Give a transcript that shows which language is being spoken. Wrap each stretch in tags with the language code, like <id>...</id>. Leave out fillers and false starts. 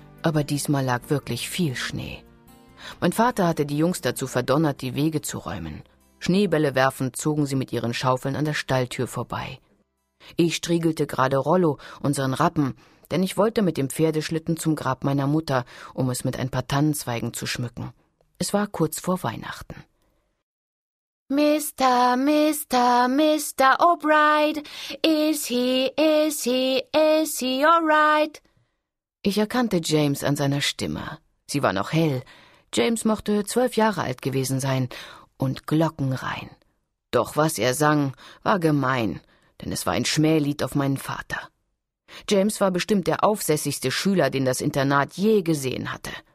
<de>Aber diesmal lag wirklich viel Schnee. Mein Vater hatte die Jungs dazu verdonnert, die Wege zu räumen. Schneebälle werfend zogen sie mit ihren Schaufeln an der Stalltür vorbei. Ich striegelte gerade Rollo, unseren Rappen, denn ich wollte mit dem Pferdeschlitten zum Grab meiner Mutter, um es mit ein paar Tannenzweigen zu schmücken. Es war kurz vor Weihnachten.</de> <en>Mister, Mister, Mister O'Bride, is he all right?</en> <de>Ich erkannte James an seiner Stimme. Sie war noch hell. James mochte 12 Jahre alt gewesen sein und glockenrein. Doch was er sang, war gemein, denn es war ein Schmählied auf meinen Vater. James war bestimmt der aufsässigste Schüler, den das Internat je gesehen hatte.</de>